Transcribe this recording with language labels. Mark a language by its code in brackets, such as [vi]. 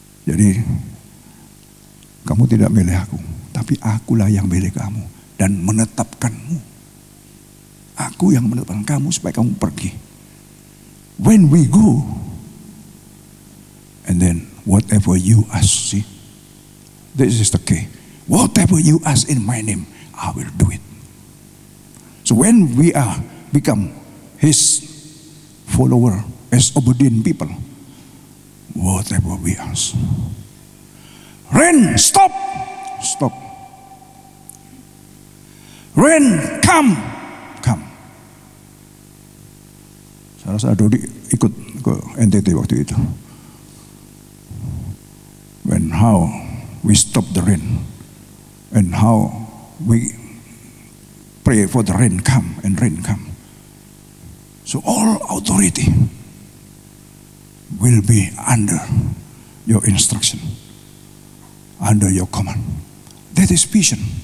[id] Jadi, kamu tidak milih aku. Tapi akulah yang milih kamu dan menetapkanmu. Aku yang menetapkan kamu supaya kamu pergi. [en] When we go, and then whatever you ask, see, this is the key. Whatever you ask in my name, I will do it. So when we are become his follower, as obedient people, whatever we ask. Rain, stop! Stop. Rain, come, come. [id] Saya rasa Dodi ikut ke NTT waktu itu. [en] When how we stop the rain, and how we pray for the rain come, and rain come. So all authority will be under your instruction, under your command. That is vision.